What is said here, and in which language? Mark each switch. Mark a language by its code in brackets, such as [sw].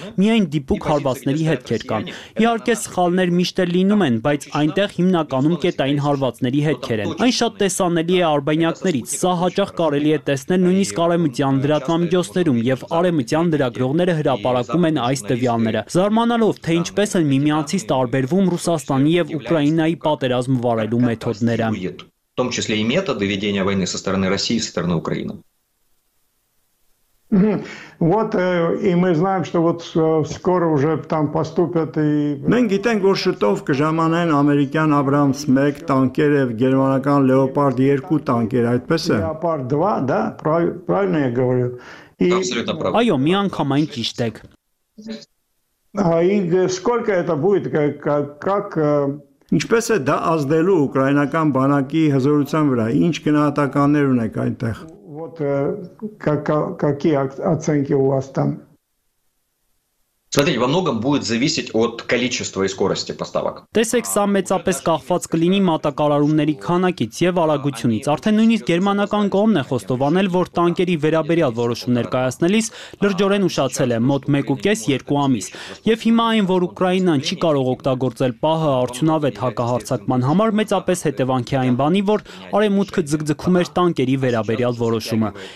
[hy] միայն դիպուկ հարվածների հետքեր կան։ Իհարկե, սխալներ միշտ լինում են, բայց այնտեղ հիմնականում կետային հարվածների հետքեր են։ Այն շատ տեսանելի է արբանյակներից, սա հաճախ կարելի է տեսնել նույնիսկ արեմության լրատվամիջոցներում, եւ արեմության լրագրողները հրապարակում են այս տվյալները, զարմանալով, թե ինչպես են միմյանցից տարբերվում Ռուսաստանի եւ Ուկրաինայի պատերազմ վարելու մեթոդները, [ru] в том числе и методы ведения войны со стороны России и со стороны Украины. Вот и мы знаем, что вот скоро уже там поступят и [hy] Мен գիտենք, որ շտով կժամանեն ամերիկյան Abrams 1 տանկեր եւ գերմանական Leopard 2 տանկեր, այդպես է։ [ru] Leopard 2, да, правильно я говорю. И [hy] Այո, մի անգամ այն ճիշտ է։ [ru] И сколько это будет, как [hy] Ինչպես է դա ազդելու ուկրաինական բանակի հզորության վրա, ինչ գնահատականներ ունեք այնտեղ։ [ru] Вот какие оценки у вас там? Смотрите, во многом будет зависеть от количества и скорости поставок. [hy] Տեսեք, սա մեծապես կախված կլինի մատակարարումների քանակից եւ արագությունից։ Արդեն նույնիսկ գերմանական կողմն է խոստովանել, որ տանկերի վերաբերյալ որոշումներ կայացնելիս լրջորեն ուշացել է մոտ 1.5-2 ամիս։ Եվ հիմա այն, որ Ուկրաինան չի կարող օգտագործել պահը արդյունավետ հակահարձակման համար, մեծապես հետևանք է այն բանի, որ արևմուտքը ձգձգում էր տանկերի վերաբերյալ որոշումը։